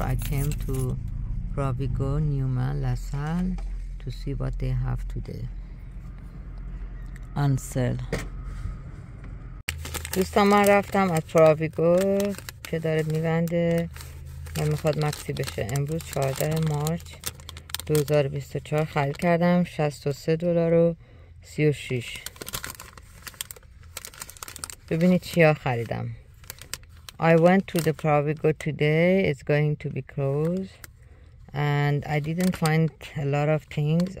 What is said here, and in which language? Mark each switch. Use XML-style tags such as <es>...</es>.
<en>I came to Ravigo, Newman, LaSalle to see what they have today on sale.</en> <fa>دوستان من رفتم از پراویگو که داره میبنده و میخواد مکسی بشه. امروز 14 مارچ 2024 خرید کردم، 63 دلار و 36. ببینید چیا خریدم.</fa> <en>I went to the Provigo today. It's going to be closed and I didn't find a lot of things.</en>